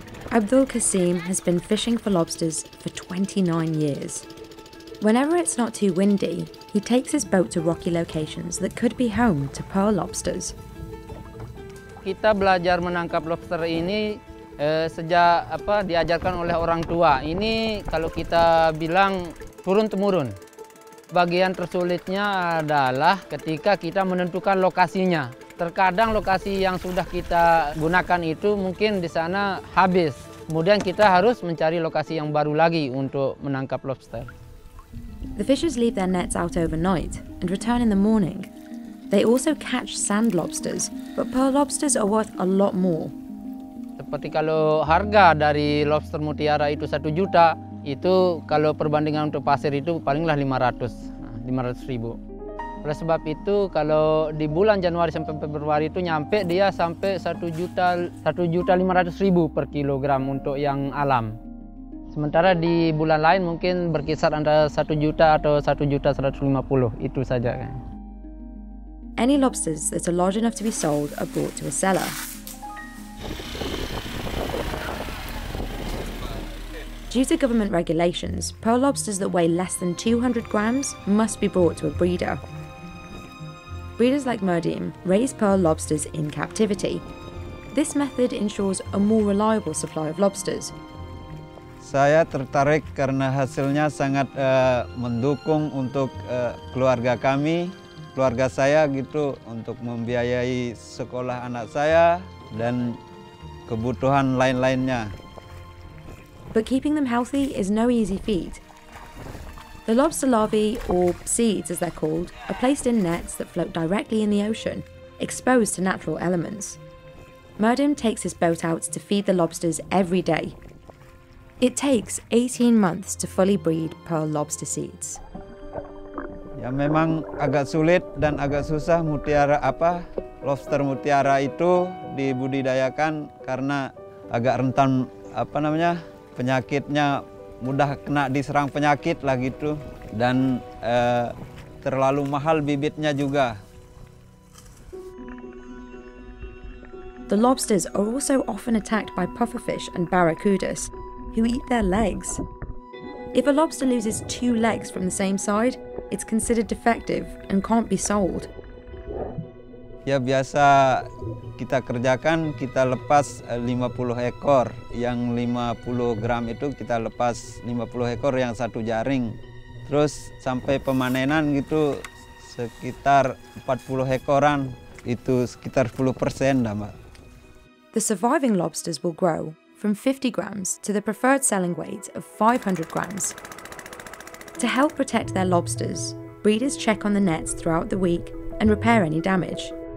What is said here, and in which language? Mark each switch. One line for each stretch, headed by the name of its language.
English: Abdul Kasim has been fishing for lobsters for 29 years. Whenever it's not too windy, he takes his boat to rocky locations that could be home to pearl lobsters.
Indonesian: Kita belajar menangkap lobster ini sejak diajarkan oleh orang tua. Ini kalau kita bilang turun-temurun. Bagian tersulitnya adalah ketika kita menentukan lokasinya. Terkadang lokasi yang sudah kita gunakan itu mungkin di sana habis. Kemudian kita harus mencari lokasi yang baru lagi untuk menangkap lobster.
English: The fishers leave their nets out overnight and return in the morning. They also catch sand lobsters, but pearl lobsters are worth a lot more.
Indonesian: Seperti kalau harga dari lobster mutiara itu 1 juta, itu kalau perbandingan untuk pasir itu palinglah 500 ribu. Oleh sebab itu, kalau di bulan Januari sampai Februari itu nyampe dia sampai 1.500.000 per kilogram untuk yang alam. Sementara di bulan lain mungkin berkisar antara 1 juta atau 1.150.000, itu saja.
English: Any lobsters that are large enough to be sold are brought to a seller. Due to government regulations, pearl lobsters that weigh less than 200 grams must be brought to a breeder. Breeders like Murdim raise pearl lobsters in captivity. This method ensures a more reliable supply of lobsters.
Indonesian: Saya tertarik karena hasilnya sangat mendukung untuk keluarga kami, keluarga saya gitu, untuk membiayai sekolah anak saya dan kebutuhan lain-lainnya.
English: But keeping them healthy is no easy feat. The lobster larvae, or seeds as they're called, are placed in nets that float directly in the ocean, exposed to natural elements. Murdim takes his boat out to feed the lobsters every day. It takes 18 months to fully breed pearl lobster seeds.
Indonesian: Ya, memang agak sulit dan agak susah mutiara apa lobster mutiara itu dibudidayakan karena agak rentan apa namanya penyakitnya. Mudah kena diserang penyakit lah gitu, dan terlalu mahal bibitnya juga.
English: The lobsters are also often attacked by pufferfish and barracudas, who eat their legs. If a lobster loses 2 legs from the same side, it's considered defective and can't be sold.
Indonesian: Ya biasa kita kerjakan, kita lepas 50 ekor. Yang 50 gram itu kita lepas 50 ekor yang satu jaring. Terus sampai pemanenan gitu sekitar 40 ekoran, itu sekitar 10% dah, Mbak.
English: The surviving lobsters will grow from 50 grams to the preferred selling weight of 500 grams. To help protect their lobsters, breeders check on the nets throughout the week and repair any damage.